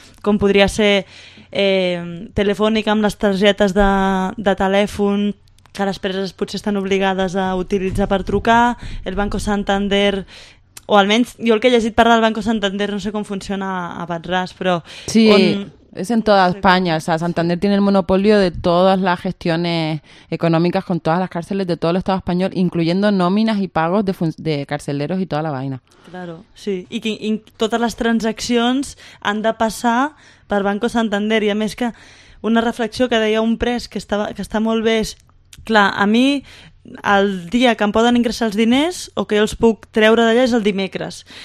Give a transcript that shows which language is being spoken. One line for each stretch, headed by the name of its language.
Catalan: Com podria ser Telefònica amb les targetes de telèfon, que les preses potser estan obligades a utilitzar per trucar, el Banco Santander, o almenys jo el que he llegit parlar del Banco Santander, no sé com funciona a Batràs, però... Sí, és en tota Espanya.
Spanish: O sea, Santander tiene el monopolio de todas las gestiones económicas con todas las cárceles de todo el Estado español, incluyendo nóminas y pagos de carceleros y toda la vaina. Claro, sí.
Catalan: I que totes les transaccions han de passar per Banco Santander. I a més que una reflexió que deia un pres que està molt bé és... Clar, a mi... El dia que em poden ingressar els diners o que jo els puc treure d'allà és el dimecres.